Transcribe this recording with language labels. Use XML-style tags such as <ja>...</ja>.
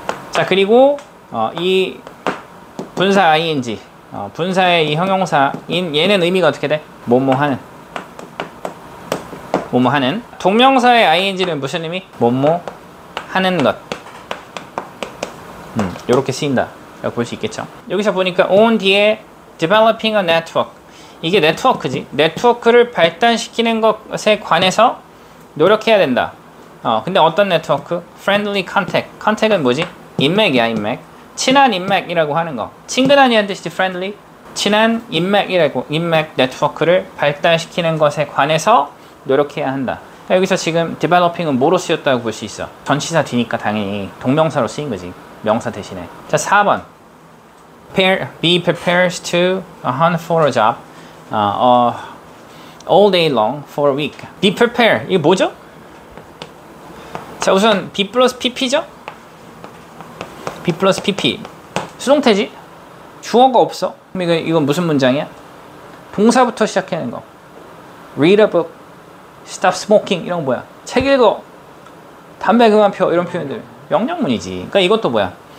<ko>자, 그리고 이 분사 ing, 분사의 이 형용사인 얘는 의미가 어떻게 돼? 뭐뭐하는. 뭐뭐하는. 동명사의 ing는 무슨 의미? 뭐뭐하는 것. 이렇게 쓰인다 라고 볼 수 있겠죠. 여기서 보니까 on 뒤에 developing a network. 이게 네트워크지. 네트워크를 발단시키는 것에 관해서 노력해야 된다. 근데 어떤 네트워크? friendly contact. contact은 뭐지? 인맥이야, 인맥. 친한 인맥이라고 하는 거. 친근한이란 뜻이지, friendly. 친한 인맥이라고 인맥 네트워크를 발달시키는 것에 관해서 노력해야 한다. 그러니까 여기서 지금 developing은 뭐로 쓰였다고 볼 수 있어? 전치사 뒤니까 당연히 동명사로 쓰인 거지. 명사 대신에. 자, 4번.</ko> <en>Be prepared to hunt for a job all day long for a week. Be prepared.</en> <ko>이게 뭐죠? 자, 우선 B 플러스 PP죠? B 플러스 PP. 수동태지? 주어가 없어? 그럼 이건 무슨 문장이야? 동사부터 시작하는 거.</ko> <en>Read a book. Stop smoking.</en> <ko>이런 거 뭐야? 책 읽어. 담배 그만 펴. 이런 표현들. 명령문이지. 그러니까 이것도 뭐야?</ko>